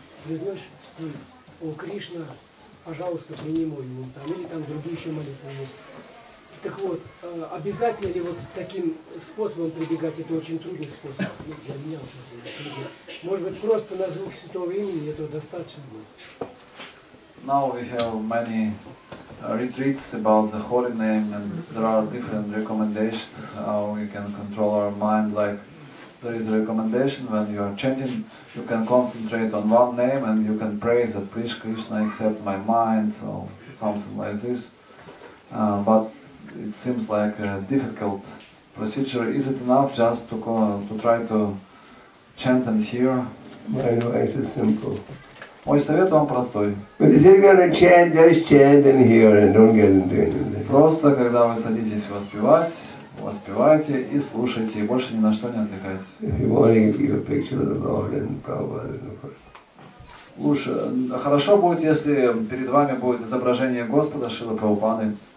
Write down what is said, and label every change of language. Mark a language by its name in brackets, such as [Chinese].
[Russian] Признаешь, о Кришна, пожалуйста, прими мой ум, там, или там другие еще молитвы. Так вот, обязательно ли вот таким способом прибегать, это очень трудный способ, ну, для меня уже трудный. Может быть, просто на звук святого имени этого достаточно будет? [English] Now we have many retreats about the holy name, and there are different recommendations how we can control our mind. Like, there is a recommendation when you are chanting, you can concentrate on one name and you can pray that please Krishna accept my mind, or something like this. But it seems like a difficult procedure. Is it enough just to try to chant and hear? My advice is simple. [Russian] Мой совет вам простой. [English] But if you're gonna chant, just chant and hear and don't get into anything. [Russian] Просто когда вы садитесь воспевать, воспевайте и слушайте, и больше ни на что не отвлекайтесь. [English] If you want to give a picture of the Lord and Prabhupada, of course. [Russian] Лучше, хорошо будет, если перед вами будет изображение Господа Шрилы Прабхупады.